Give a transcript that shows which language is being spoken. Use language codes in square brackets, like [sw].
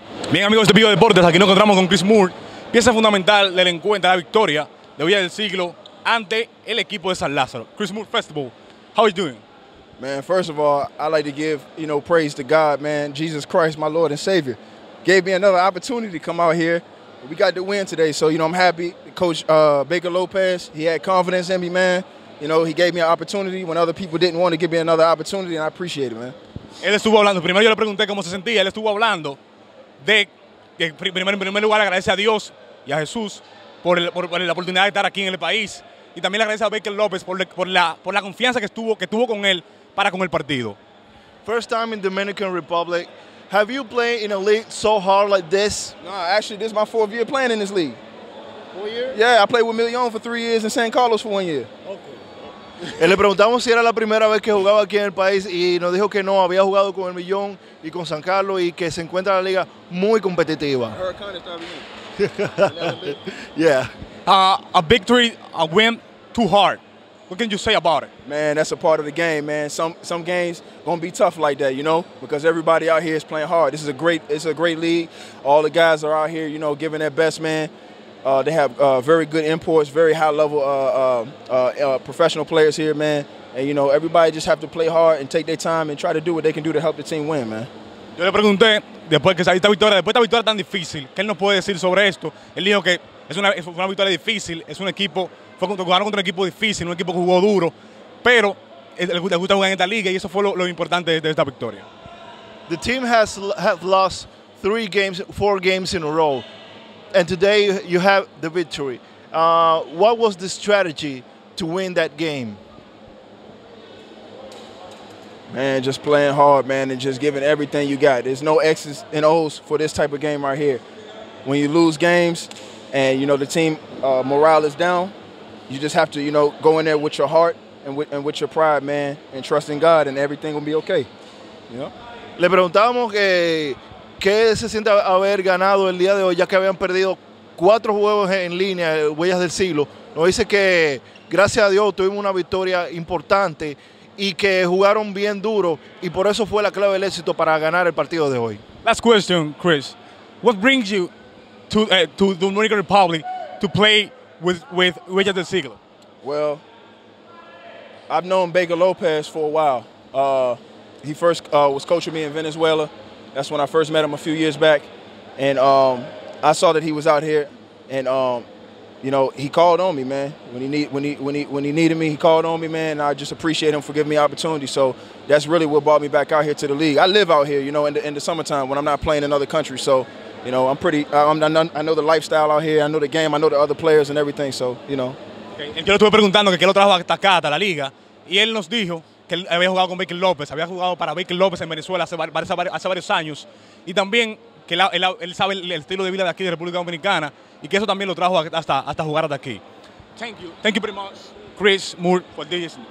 [es] Bien, amigos de Pío Deportes, aquí nos encontramos con Chris Moore, pieza fundamental del encuentro, la victoria de Huellas del Siglo ante el equipo de San Lázaro. [en] Chris Moore Festival, how are you doing? Man, first of all, I'd like to give, you know, praise to God, man. Jesus Christ, my Lord and Savior, gave me another opportunity to come out here. We got the win today, so, you know, I'm happy. Coach Baker Lopez, he had confidence in me, man. You know, he gave me an opportunity when other people didn't want to give me another opportunity, and I appreciate it, man. [es] Él estuvo hablando. Primero yo le pregunté cómo se sentía. Él estuvo hablando de que, en primer lugar, agradece a Dios y a Jesús por la oportunidad de estar aquí en el país. Y también le agradece a Baker Lopez por la confianza que tuvo con él para con el partido. [en] First time in Dominican Republic. Have you played in a league so hard like this? No, actually, this is my fourth year playing in this league. 4 years? Yeah, I played with Million for 3 years and San Carlos for 1 year. Okay. [es] Le preguntamos si era la primera vez que jugaba aquí en el país y nos dijo que no, había jugado con el Millón y con San Carlos y que se encuentra la liga muy competitiva. [en] A victory, a win too hard. What can you say about it? Man, that's a part of the game, man. Some games gonna be tough like that, you know, because everybody out here is playing hard. This is a great league. All the guys are out here, you know, giving their best, man. They have very good imports, very high-level professional players here, man. And, you know, everybody just have to play hard and take their time and try to do what they can do to help the team win, man. [es] Yo le pregunté, después que salió esta victoria, después de esta victoria tan difícil, ¿qué él nos puede decir sobre esto? Él dijo que es una victoria difícil, es un equipo, fue contra un equipo difícil, un equipo que jugó duro, pero le gusta jugar en esta liga y eso fue lo importante de esta victoria. [en] The team have lost four games in a row. And today you have the victory. What was the strategy to win that game? Man, just playing hard, man, and just giving everything you got. There's no X's and O's for this type of game right here. When you lose games and, you know, the team morale is down, you just have to, you know, go in there with your heart and with your pride, man, and trust in God, and everything will be okay. You know? [es] Le preguntamos que... ¿Qué se siente haber ganado el día de hoy, ya que habían perdido 4 juegos en línea, Huellas del Siglo? Nos dice que, gracias a Dios, tuvimos una victoria importante y que jugaron bien duro, y por eso fue la clave del éxito para ganar el partido de hoy. [en] Last question, Chris. What brings you to the Dominican Republic to play with Huellas del Siglo? Well, I've known Baker Lopez for a while. He first was coaching me in Venezuela. That's when I first met him a few years back. And I saw that he was out here. And, you know, he called on me, man. When he needed me, he called on me, man. And I just appreciate him for giving me opportunity. So that's really what brought me back out here to the league. I live out here, you know, in the summertime when I'm not playing in other countries. So, you know, I know the lifestyle out here. I know the game. I know the other players and everything. So, you know. [es] Yo le estuve preguntando que lo trajo hasta acá, hasta la liga. Y él nos dijo... que había jugado con Baker López, había jugado para Baker López en Venezuela hace varios años, y también que él sabe el estilo de vida de aquí de República Dominicana, y que eso también lo trajo hasta jugar hasta aquí. [en] Thank you. Thank you very much, Chris Moore, for this.